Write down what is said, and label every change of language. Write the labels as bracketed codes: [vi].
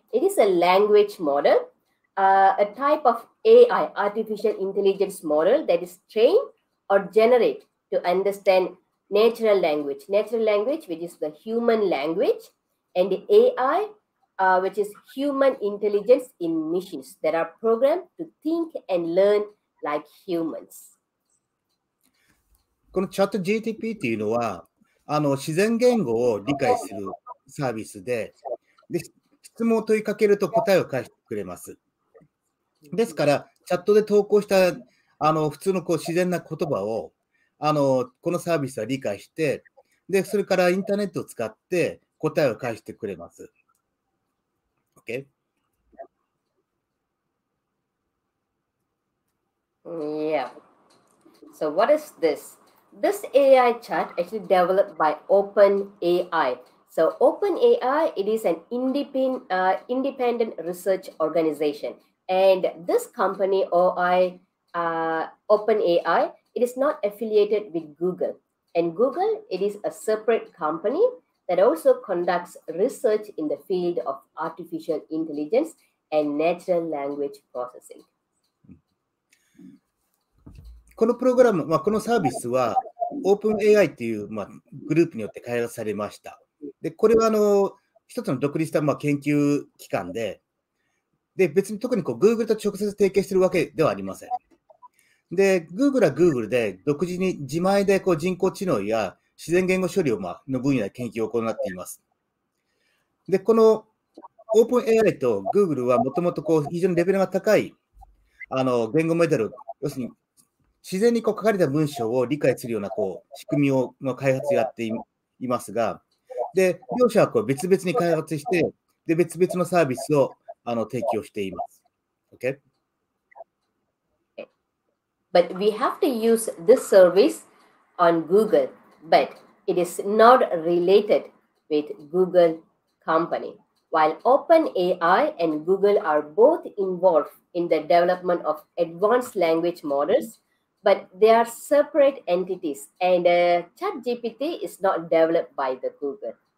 [en] It is a language model, a type of AI, artificial intelligence model that is trained or generated to understand natural language. Natural language, which is the human language, and the AI, which is human intelligence in machines that are programmed to think and learn like humans. [ja] このチャット GTP っていうのは、自然言語を理解するサービスで、で、質問を問いかけると答えを返してくれます。ですから、チャットで投稿した、普通のこう自然な言葉を、このサービスは理解して、で、それからインターネットを使って答えを返してくれます。 [en] OK? Yeah. So what is this? This AI chat actually developed by OpenAI. So OpenAI, it is an independent research organization. And this company, OpenAI, it is not affiliated with Google. And Google, it is a separate company that also conducts research in the field of artificial intelligence and natural language processing. [ja] このプログラム、まあ、このサービスは OpenAI という、まあ、グループによって開発されました。で、これは一つの独立した、まあ、研究機関で、で、別に特にこう Google と直接提携しているわけではありません。で、Google は Google で独自に自前でこう人工知能や自然言語処理を、まあの分野で研究を行っています。で、この OpenAI と Google はもともとこう非常にレベルが高い言語モデル、要するに自然にこう書かれた文章を理解するようなこう仕組みをの開発をやっていますが、で、両者はこう別々に開発して、で、別々のサービスを提供しています。 [en] Okay? But we have to use this service on Google, but it is not related with Google company. While OpenAI and Google are both involved in the development of advanced language models,But they are separate entities, and ChatGPT is not developed by the Google.